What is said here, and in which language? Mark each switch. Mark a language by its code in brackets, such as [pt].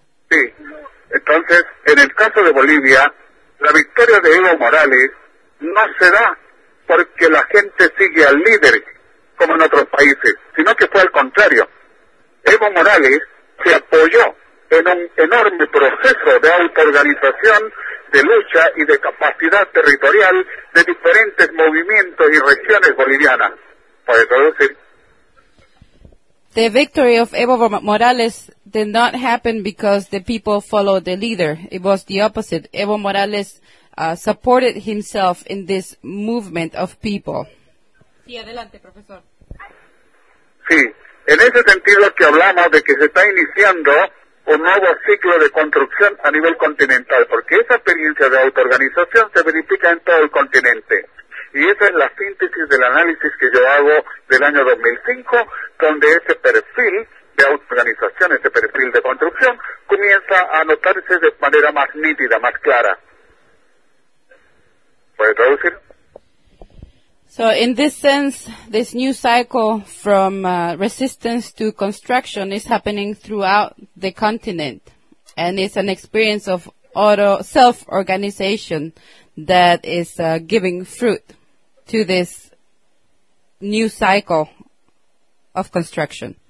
[es] Sí, entonces, en el caso de Bolivia, la victoria de Evo Morales no se da porque la gente sigue al líder, como en otros países, sino que fue al contrario. Evo Morales se apoyó en un enorme proceso de autoorganización, de lucha y de capacidad territorial de diferentes movimientos y regiones bolivianas. Puede traducir. [en] The victory of Evo Morales did not happen because the people followed the leader. It was the opposite. Evo Morales supported himself in this movement of people. [es] Sí, adelante, profesor. Sí, en ese sentido que hablamos de que se está iniciando un nuevo ciclo de construcción a nivel continental, porque esa experiencia de autoorganización se verifica en todo el continente. Y esa es la síntesis del análisis que yo hago del año 2005, donde ese perfil de autoorganización, ese perfil de construcción, comienza a notarse de manera más nítida, más clara. ¿Puede traducir? [en] So in this sense, this new cycle from resistance to construction is happening throughout the continent, and it's an experience of self-organization that is giving fruit to this new cycle of construction.